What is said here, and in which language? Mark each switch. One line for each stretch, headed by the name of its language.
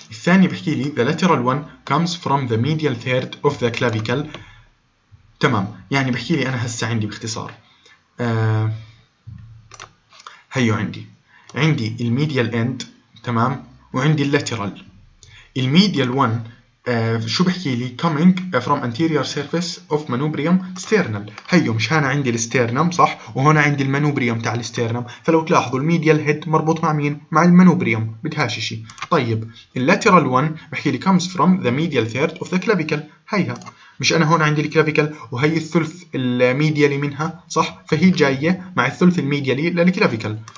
Arabic: الثانيه بحكي لي
English: The lateral one comes from the medial third of the clavicle, تمام.
Arabic: يعني بحكي لي انا هسه عندي باختصار، هيو عندي الميديال اند، تمام، وعندي اللاترال. الميديال وان شو بحكي لي؟
English: coming from anterior surface of manubrium sternal.
Arabic: هيو مش هنا عندي الاسترنم صح، وهنا عندي المانوبريوم تاع الاسترنم، فلو تلاحظوا الميديال هيد مربوط مع مين؟ مع المانوبريوم، بدهاش شيء. طيب اللاترال وان بحكي لي
English: comes from the medial third of the clavicle،
Arabic: هيها مش انا هون عندي الكلافيكل وهي الثلث الميديالي منها صح، فهي جايه مع الثلث الميديالي للكلافيكل.